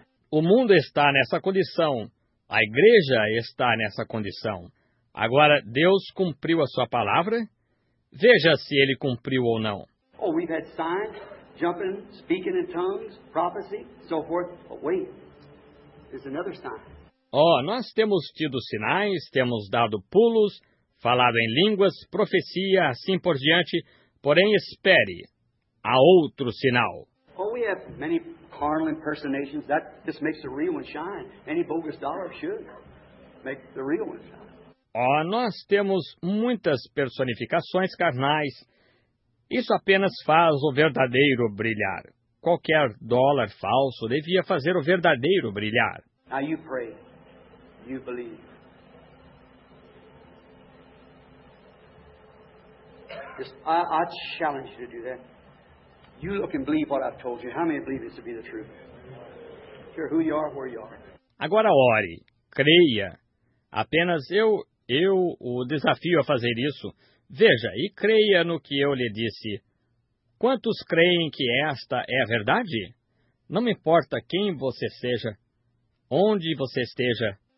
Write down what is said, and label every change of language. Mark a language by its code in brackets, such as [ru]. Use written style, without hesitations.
[pt] O mundo está nessa condição. A igreja está nessa condição. Agora, Deus cumpriu a sua palavra? Veja se ele cumpriu ou não. [en] Oh, we've had signs, jumping, speaking in tongues, prophecy, so forth. But wait, there's another sign. [pt] Oh, nós temos tido sinais, temos dado pulos, falado em línguas, profecia, assim por diante. Porém, espere, há outro sinal. [en] Oh, we have many carnal impersonations. That just makes the real one shine. Any bogus dollar should make the real one shine. [pt] Oh, nós temos muitas personificações carnais. Isso apenas faz o verdadeiro brilhar. Qualquer dólar falso devia fazer o verdadeiro brilhar. [en] Now you pray. You believe. I challenge you to do that. You look and believe what I've told you. How many believe this to be the truth? Sure, who you are, where you are. [pt] Agora ore, creia. Apenas eu o desafio a fazer isso. Veja e creia no que eu lhe disse. Quantos creem que esta é a verdade? Não me importa quem você seja, onde você esteja.